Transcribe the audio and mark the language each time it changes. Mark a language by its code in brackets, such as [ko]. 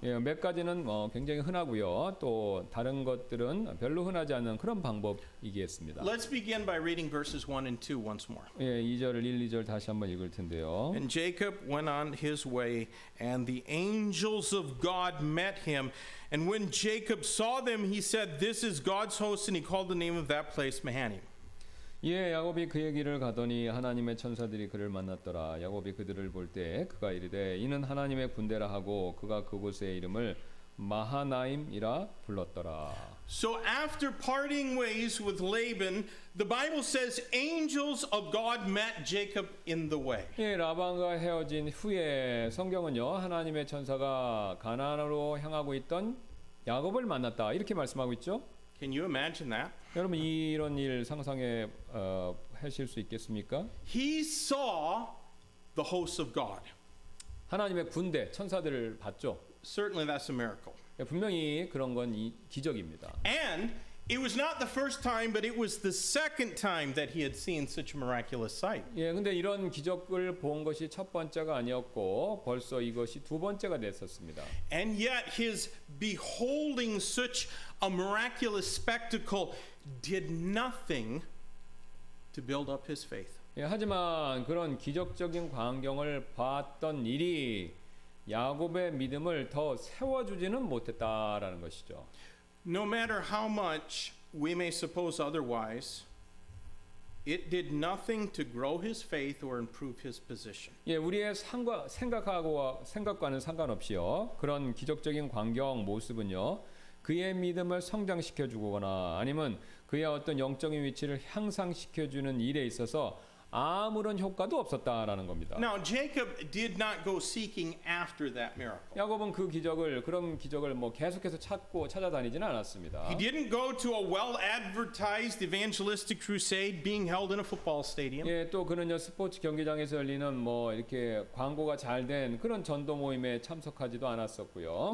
[ko] 예, 몇 가지는 굉장히 흔하고요. 또 다른 것들은 별로 흔하지 않은 그런 방법이겠습니다. [en] Let's begin by reading verses 1 and 2 once more. [ko] 예, 2절을 1, 2절 다시 한번 읽을 텐데요. [en] And Jacob went on his way, and the angels of God met him. And when Jacob saw them, he said, "This is God's host," and he called the name of that place Mahanaim. [ko] 예, 야곱이 그의 길을 가더니 하나님의 천사들이 그를 만났더라. 야곱이 그들을 볼 때 그가 이르되 이는 하나님의 군대라 하고 그가 그곳의 이름을 마하나임이라 불렀더라. [en] So after parting ways with Laban, the Bible says angels of God met Jacob in the way. [ko] 예, 라반과 헤어진 후에 성경은요 하나님의 천사가 가나안으로 향하고 있던 야곱을 만났다 이렇게 말씀하고 있죠. [en] Can you imagine that? [ko] 여러분 이런 일 상상해 하실 수 있겠습니까? [en] He saw the hosts of God. [ko] 하나님의 군대 천사들을 봤죠. [en] Certainly that's a miracle. [ko] 예, 분명히 그런 건 이 기적입니다. [en] And it was not the first time, but it was the second time that he had seen such a miraculous sight. [ko] 예, 근데 이런 기적을 본 것이 첫 번째가 아니었고 벌써 이것이 두 번째가 됐었습니다. [en] And yet his beholding such a miraculous spectacle did nothing to build up his faith. [ko] 예, 하지만 그런 기적적인 광경을 봤던 일이 야곱의 믿음을 더 세워주지는 못했다라는 것이죠. [en] No matter how much we may suppose otherwise, it did nothing to grow his faith or improve his position. [ko] 예, 우리의 생각과는 상관없이요. 그런 기적적인 광경 모습은요. 그의 믿음을 성장시켜 주거나 아니면 그의 어떤 영적인 위치를 향상시켜 주는 일에 있어서 아무런 효과도 없었다라는 겁니다. [en] Now Jacob did not go seeking after that miracle. [ko] 야곱은 그런 기적을 뭐 계속해서 찾고 찾아다니지는 않았습니다. [en] He didn't go to a well-advertised evangelistic crusade being held in a football stadium. [ko] 예, 또 그는요 스포츠 경기장에서 열리는 뭐 이렇게 광고가 잘 된 그런 전도 모임에 참석하지도 않았었고요.